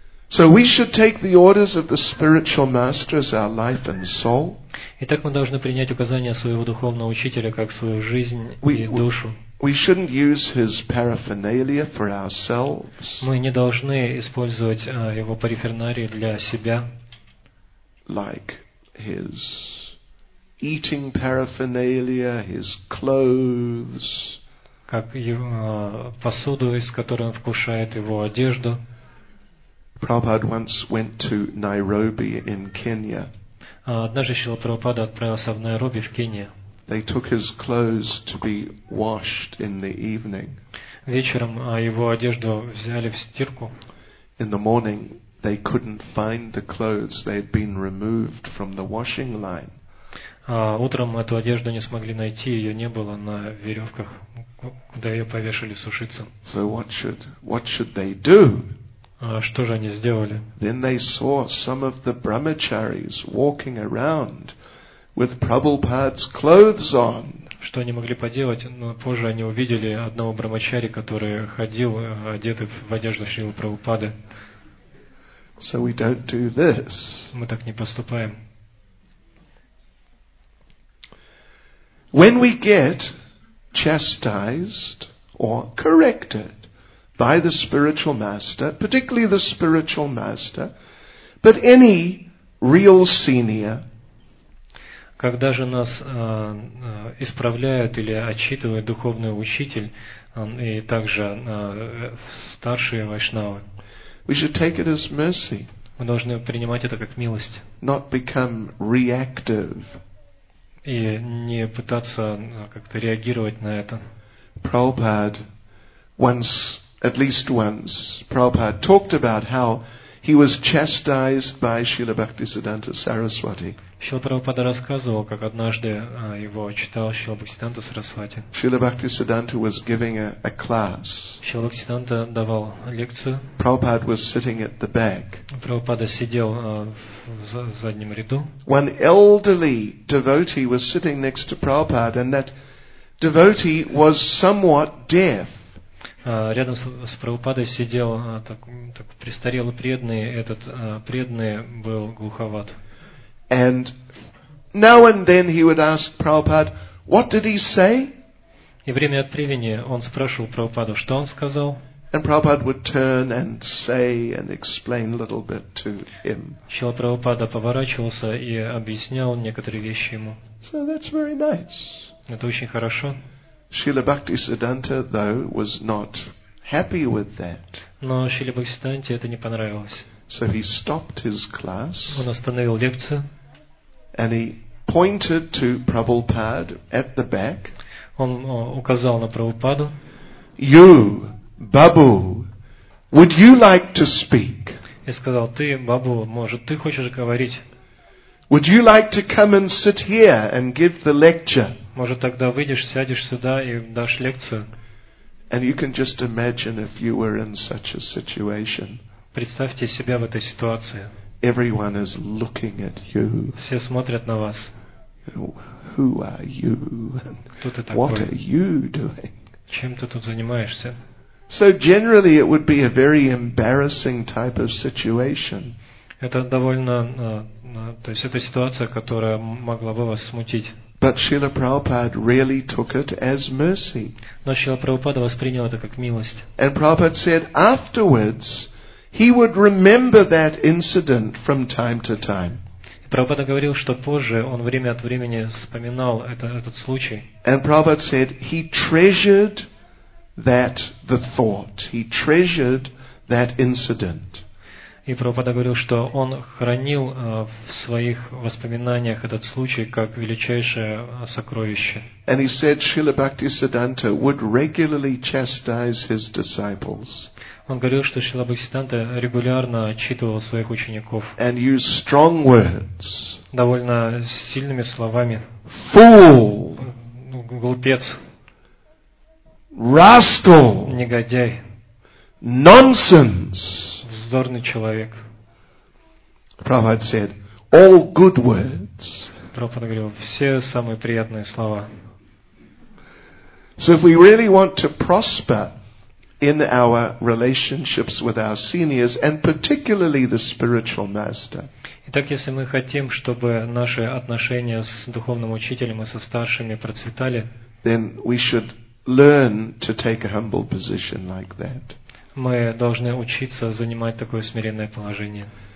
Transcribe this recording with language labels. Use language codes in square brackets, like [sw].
[en] So we should take the orders of the spiritual master as our life and soul. [ru] Итак, мы должны принять указания своего духовного учителя как свою жизнь и душу. [en] We shouldn't use his paraphernalia for ourselves. [ru] Мы не должны использовать его периферии для себя. [en] Like his eating paraphernalia, his clothes. [ru] Как его посуду, из которой он вкушает, его одежду. [en] Prabhupada once went to Nairobi in Kenya. [ru] Однажды Шрила Прабхупада отправился в Найроби в Кении. [en] They took his clothes to be washed in the evening. [ru] Вечером его одежду взяли в стирку. [en] In the morning, they couldn't find the clothes. They had been removed from the washing line. [ru] Утром эту одежду не смогли найти, ее не было на веревках, куда ее повешали сушиться. [en] So what should they do? [ru] Что же они сделали? [en] Then they saw some of the brahmacharis walking around with Prabhupada's clothes on. [ru] Что они могли поделать? Но позже они увидели одного брахмачари, который ходил одетый в одежду Шрилы Прабхупады. [en] So we don't do this. [ru] Мы так не поступаем. [en] When we get chastised or corrected by the spiritual master, particularly the spiritual master, but any real senior. [ru] Когда же нас исправляют или отчитывают духовный учитель и также старшие вайшнавы. [en] We should take it as mercy. [ru] Мы должны принимать это как милость. [en] Not become reactive. [ru] И не пытаться как-то реагировать на это. [en] Prabhupada once. At least once, Prabhupada talked about how he was chastised by Srila Bhaktisiddhanta Saraswati. [ru] Srila Prabhupada рассказывал, как однажды его читал Srila Bhaktisiddhanta Saraswati. [en] Srila Bhaktisiddhanta was giving a class. [ru] Srila Bhaktisiddhanta давал лекцию. [en] Prabhupada was sitting at the back. [ru] Prabhupada сидел в заднем ряду. [en] One elderly devotee was sitting next to Prabhupada, and that devotee was somewhat deaf. [ru] Рядом с Прабхупадой сидел так престарелый преданный, этот преданный был глуховат. [en] And now and then he would ask Prabhupada, what did he say? [ru] И время от времени он спрашивал Прабхупаду, что он сказал. [en] And Prabhupada would turn and say and explain a little bit to him. [ru] Шрила Прабхупада поворачивался и объяснял некоторые вещи ему. [en] So that's very nice. [ru] Это очень хорошо. [en] Srila Bhaktisiddhanta, though, was not happy with that. [ru] Но Шриле Бхактисиддханте это не понравилось. [en] So he stopped his class. [ru] Он остановил лекцию. [en] And he pointed to Prabhupada at the back. [ru] Он указал на Прабхупаду. [en] You, Babu, would you like to speak? [ru] И сказал, ты, Бабу, может, ты хочешь говорить? [en] Would you like to come and sit here and give the lecture? [ru] Может, тогда выйдешь, сядешь сюда и дашь лекцию. Представьте себя в этой ситуации. [en] Everyone is looking at you. [ru] Все смотрят на вас. [en] Who are you? [ru] Кто ты такой? [en] What are you doing? [ru] Чем ты тут занимаешься? [en] So generally it would be a very embarrassing type of situation. [ru] Это довольно, то есть это ситуация, которая могла бы вас смутить. [en] But Srila Prabhupada really took it as mercy. [ru] Но Шрила Прабхупада воспринял это как милость. [en] And Prabhupada said afterwards he would remember that incident from time to time. [ru] Прабхупада говорил, что позже он время от времени вспоминал этот случай. [en] And Prabhupada said he treasured that the thought. He treasured that incident. [ru] И Прабхупада говорил, что он хранил в своих воспоминаниях этот случай как величайшее сокровище. [en] And he said Srila Bhaktisiddhanta would regularly chastise his disciples. [ru] Он говорил, что Шрила Бхактисиддханта регулярно отчитывал своих учеников. [en] And used strong words. [ru] Довольно сильными словами. [en] Fool. [ru] Глупец. [en] Rascal. [ru] Негодяй. [en] Nonsense. [ru] Вздорный человек. [en] Prabhupada said, all good words. [ru] Прабхупада говорил, все самые приятные слова. [en] So if we really want to prosper in our relationships with our seniors, and particularly the spiritual master. [ru] Итак, если мы хотим, чтобы наши отношения с духовным учителем и со старшими процветали, [en] then we should learn to take a humble position like that. [ru] Мы должны учиться занимать такое смиренное положение.